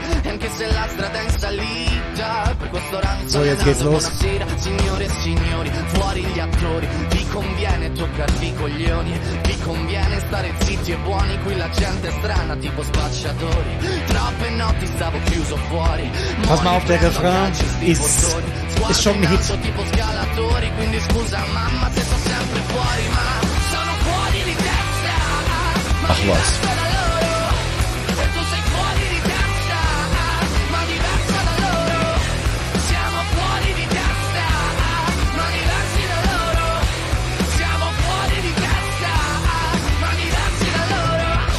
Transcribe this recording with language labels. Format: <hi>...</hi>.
<it>E anche se la strada è in salita, per questo ranzo è andato. Buonasera, signore e signori, fuori gli attori. Vi conviene toccarvi i coglioni, vi conviene stare zitti e buoni. Qui la gente è strana, tipo spacciatori. Troppe notti stavo chiuso fuori.</it> <de>Pass mal auf, der Refrain ist schon ein Hit.</de> <it>Tipo scalatori, quindi scusa mamma se sono sempre fuori, ma sono fuori di testa. Ma diverso da loro, se tu sei fuori di testa, ma diverso da loro, siamo fuori di testa, ma diversi da loro, siamo fuori di testa, ma diversi da loro.</it>